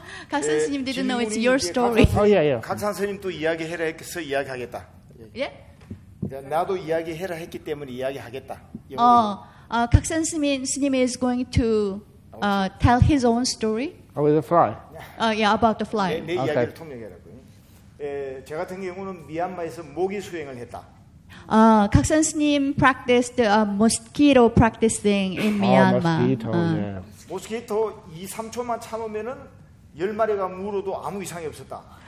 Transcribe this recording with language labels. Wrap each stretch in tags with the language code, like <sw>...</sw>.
<en>각산 스님 didn't know it's your story.</en> <ko>각산 스님 또 이야기해라 해서 이야기하겠다. 예? 나도 이야기해라 했기 때문에 이야기하겠다.</ko> <en>각산 스님 is going to tell his own story. Oh, with the fly? Yeah, about the fly.</en> <ko>내 이야기를 통역해라고. 제 같은 경우는 미얀마에서 모기 수행을 했다.</ko> <en>아, 각 선생님 practiced mosquito practicing in Myanmar. 아, mosquito.</en> <ko>모스키토 2, 3초만 참으면은 열 마리가 물어도 아무 이상이 없었다.</ko>